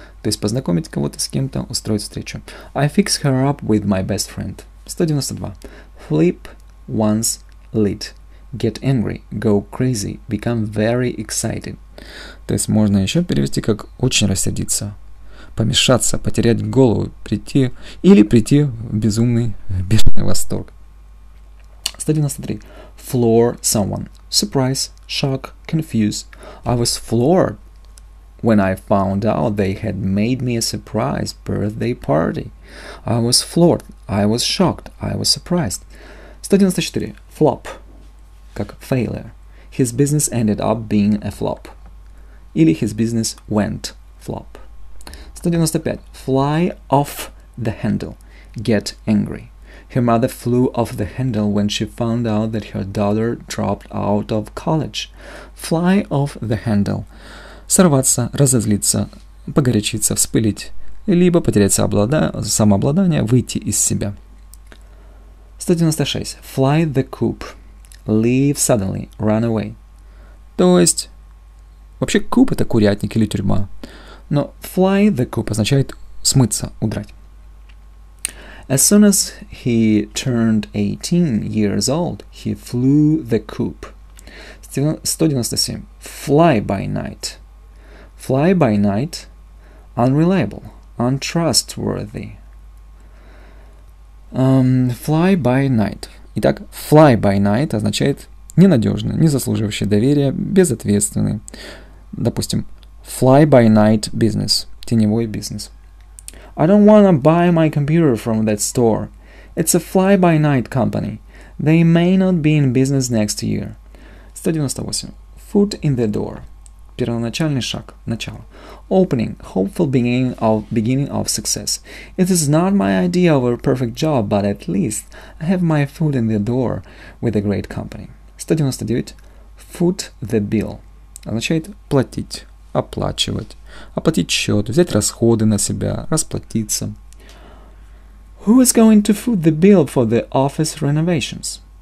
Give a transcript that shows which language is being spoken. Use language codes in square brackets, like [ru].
[ru] То есть, познакомить кого-то с кем-то, устроить встречу. [en] I fix her up with my best friend. 192. Flip one's lid. Get angry. Go crazy. Become very excited. [ru] То есть, можно еще перевести как «очень рассердиться», «помешаться», «потерять голову», «прийти» или «прийти в безумный, бешеный восторг». [en] 193. Floor someone. Surprise, shock, confuse. I was floored when I found out they had made me a surprise birthday party. I was floored. I was shocked. I was surprised. 194. Flop. [ru] Как [en] failure. His business ended up being a flop. [ru] Или [en] his business went flop. 195. Fly off the handle. Get angry. Her mother flew off the handle when she found out that her daughter dropped out of college. Fly off the handle. [ru] Сорваться, разозлиться, погорячиться, вспылить, либо потерять самообладание, выйти из себя. [en] 196. Fly the coop. Leave suddenly. Run away. [ru] То есть, вообще coop это курятник или тюрьма. Но [en] fly the coop [ru] означает смыться, удрать. [en] As soon as he turned 18 years old, he flew the coop. 197. Fly by night. Fly by night. Unreliable. Untrustworthy. Fly by night. [ru] Итак, [en] fly by night [ru] означает ненадежный, не заслуживающий доверия, безответственный. Допустим, [en] fly by night business. [ru] Теневой бизнес. [en] I don't want to buy my computer from that store. It's a fly-by-night company. They may not be in business next year. 198. Foot in the door. [ru] Первоначальный шаг. Начало. [en] Opening. Hopeful beginning of success. It is not my idea of a perfect job, but at least I have my foot in the door with a great company. 199. Foot the bill. [ru] Означает платить. Оплачивать, оплатить счет, взять расходы на себя, расплатиться. [en] Who is going to foot the bill for the office renovations?